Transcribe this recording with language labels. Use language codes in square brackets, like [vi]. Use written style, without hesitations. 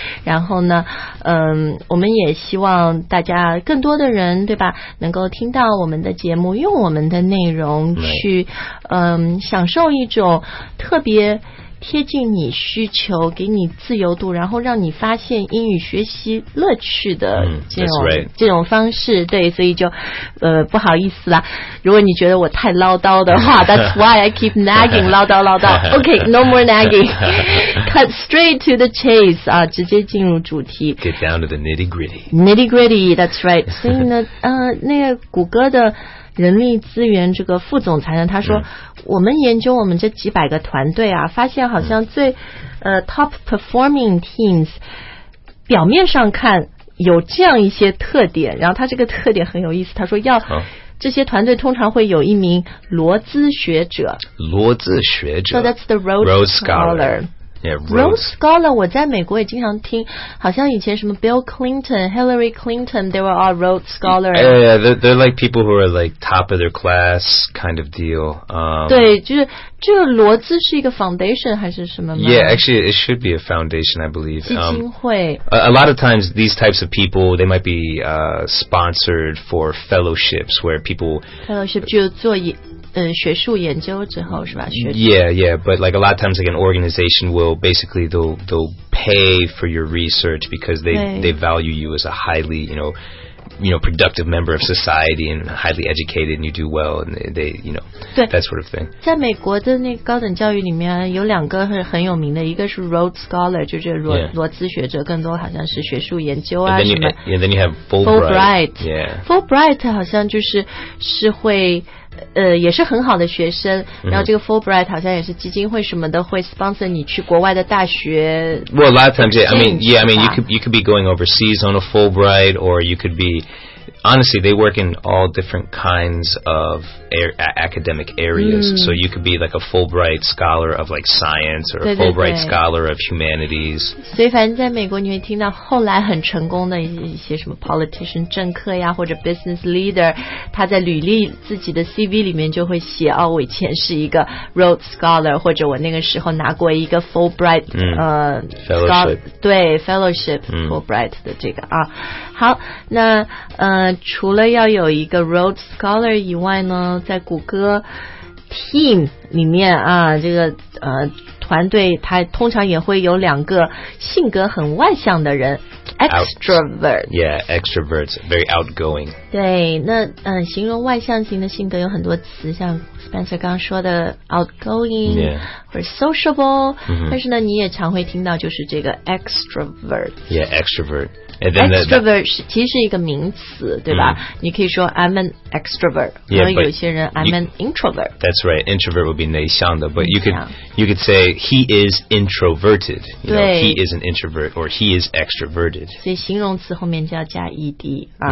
[zh] 然后呢我们也希望大家更多的人，对吧，能够听到我们的节目，用我们的内容去享受一种特别贴近你需求，给你自由度，然后让你发现英语学习乐趣的这种方式。对，所以就不好意思啦，如果你觉得我太唠叨的话 [en] that's why I keep nagging [zh] 唠叨唠叨。 [en] OK, no more nagging. Cut straight to the chase 啊， [zh] 直接进入主题。 [en] Get down to the nitty gritty. Nitty gritty, that's right. [zh] 所以呢那个谷歌的人力资源这个副总裁呢，他说我们研究我们这几百个团队啊，发现好像最 [en] top performing teams [zh] 表面上看有这样一些特点，然后他这个特点很有意思，他说要这些团队通常会有一名罗兹学者。罗兹学者， [en] So that's the Rhodes Scholar。 Yeah, Rhodes Scholar [zh] 我在美国也经常听，好像以前什么 [en] Bill Clinton, Hillary Clinton, they were all Rhodes Scholar. Yeah, yeah, they're like people who are like top of their class kind of deal. [zh] 对，就是这个罗兹是一个 foundation 还是什么吗？ [en] Yeah, actually it should be a foundation, I believe. [zh] 基金会。 [en] A lot of times these types of people, they might be sponsored for fellowships where people... [zh] Fellowship 就做一学术研究之后是吧？ [en] Yeah, yeah, but like a lot of times like an organization will basically they'll pay for your research because they value you as a highly, you know, productive member of society and highly educated and you do well and they, you know, that sort of thing. [zh] 在美国的那个高等教育里面有两个很有名的，一个是 Rhodes Scholar, 就是罗兹学者，更多好像是学术研究啊什么。 [en] And then you have Fulbright. Yeah. [zh] Fulbright 好像就是会也是很好的学生，然后这个 Fulbright 好像也是基金会什么的会 sponsor 你去国外的大学。 [en] Well, a lot of times, yeah, I mean, you could be going overseas on a Fulbright, or you could be honestly, they work in all different kinds of academic areas. Mm. So you could be like a Fulbright scholar of like science or a Fulbright scholar of humanities. [zh] 所以反正在美国你会听到后来很成功的一些什么 politician, 政客呀或者 business leader, 他在履历自己的 CV 里面就会写哦我以前是一个 Rhodes scholar, 或者我那个时候拿过一个 Fulbright,、 [en] 嗯、fellowship. [zh] 对 fellowship,、嗯、Fulbright 的这个啊。好那除了要有一个 Rhodes Scholar 以外呢在谷歌 Team 里面啊这个团队它通常也会有两个性格很外向的人 Extroverts [en] Yeah, extroverts, very outgoing [zh] 对那形容外向型的性格有很多词像 Spencer 刚刚说的 outgoing、 [en] yeah. [zh] 或者 sociable、mm-hmm. 但是呢你也常会听到就是这个 extrovert [en] Yeah, extrovert [zh] Extrovert 其实是一个名词对吧、mm-hmm. 你可以说 [en] I'm an extrovert [zh] 然、 [en] yeah, [zh] 后有些人 [en] I'm an introvert That's right, introvert would be [zh] 内向的 [en] but you could、yeah. you could say he is introverted you know, he is an introvert or he is extroverted [zh] 所以形容词后面就要加 ed、